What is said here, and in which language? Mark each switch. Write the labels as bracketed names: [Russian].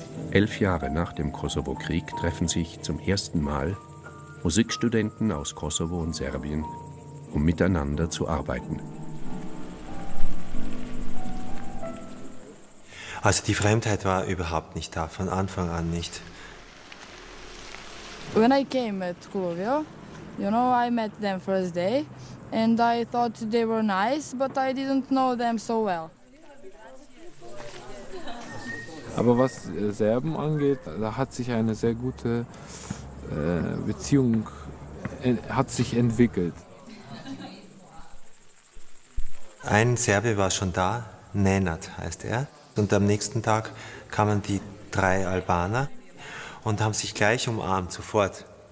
[German] 11 Jahre nach dem Kosovo-Krieg treffen sich zum ersten Mal Musikstudenten aus Kosovo und Serbien, um miteinander zu arbeiten. Also die Fremdheit war überhaupt nicht da, von Anfang an nicht. [English] When I came at COLLUVIO, you know, I met them first day. And I thought they were nice, but I didn't know them so well. [German] Aber was Serben angeht, da hat sich eine sehr gute Beziehung hat sich entwickelt. Ein Serbe war schon da, Nenad heißt er. Und am nächsten Tag kamen die drei Albaner und haben sich gleich umarmt, sofort.